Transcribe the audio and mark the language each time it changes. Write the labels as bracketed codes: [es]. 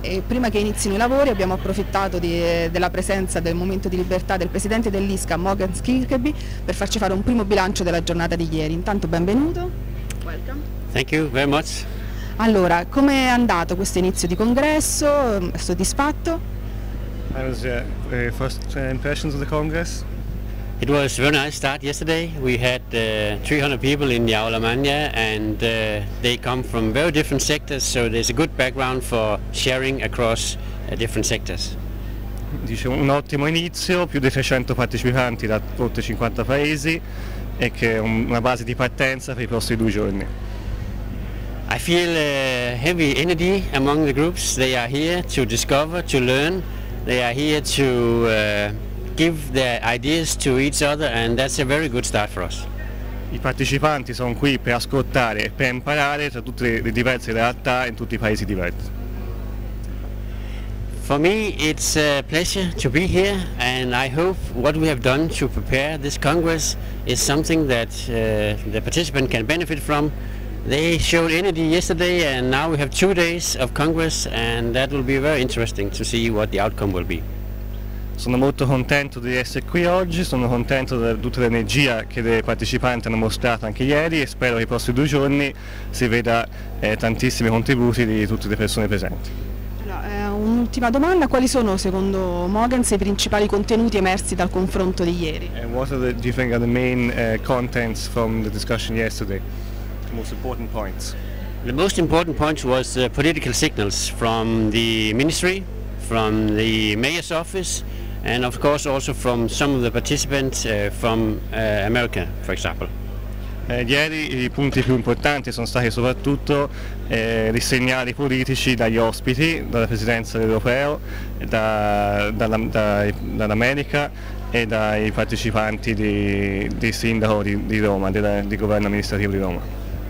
[it] E prima che inizino i lavori abbiamo approfittato della presenza del Momento di Libertà del presidente dell'ISCA Morgan Kirkby per farci fare un primo bilancio della giornata di ieri. Intanto benvenuto. [en] Welcome. Thank you very much. [it] Allora, come è andato questo inizio di congresso? È soddisfatto? [en] How was your first impressions of the congress? It was a very nice start yesterday. We had 300 people in the Aula Magna and they come from very different sectors, so there's a good background for sharing across different sectors. [it] Dice un ottimo inizio, più di 300 partecipanti da oltre 50 paesi e che è una base di partenza per i prossimi due giorni. [en] I feel heavy energy among the groups. They are here to discover, to learn. They are here to give their ideas to each other, and that's a very good start for us. [it] I partecipanti sono qui per ascoltare e per imparare tra tutte le diverse realtà in tutti i paesi diversi. [en] For me it's a pleasure to be here, and I hope what we have done to prepare this congress is something that the participant can benefit from. They showed energy yesterday and now we have 2 days of congress, and that will be very interesting to see what the outcome will be. [it] Sono molto contento di essere qui oggi, sono contento di tutta l'energia che i partecipanti hanno mostrato anche ieri e spero che i prossimi due giorni si veda tantissimi contributi di tutte le persone presenti. Allora, un'ultima domanda, quali sono secondo Mogens i principali contenuti emersi dal confronto di ieri? [en] And what are the, do you think are the main contents from the discussion yesterday? The most important points? The most important points was the political signals from the ministry, from the mayor's office, and of course also from some of the participants from America, for example. [it] Ieri i punti più importanti sono stati soprattutto i segnali politici dagli ospiti, dalla presidenza europea, dall'America e dai partecipanti di sindaco di Roma, di governo amministrativo di Roma.